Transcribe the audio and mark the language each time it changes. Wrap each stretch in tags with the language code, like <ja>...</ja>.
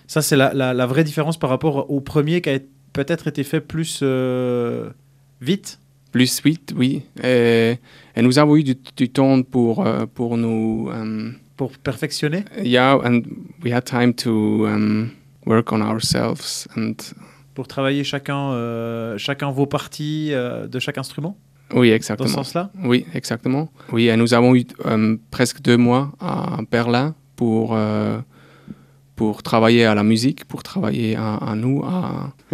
<fr>Ça, c'est la vraie différence par rapport au premier qui a peut-être été fait plus vite. Plus vite, oui. Et nous avons eu du temps pour nous... pour perfectionner.</fr> <en>Yeah, and we had time to work on ourselves. And...</en> <fr>pour travailler chacun vos parties de chaque instrument. Oui, exactement. Dans ce sens-là. Oui, exactement. Oui, et nous avons eu presque 2 mois à Berlin pour... pour travailler à la musique, pour travailler à nous, à...</fr>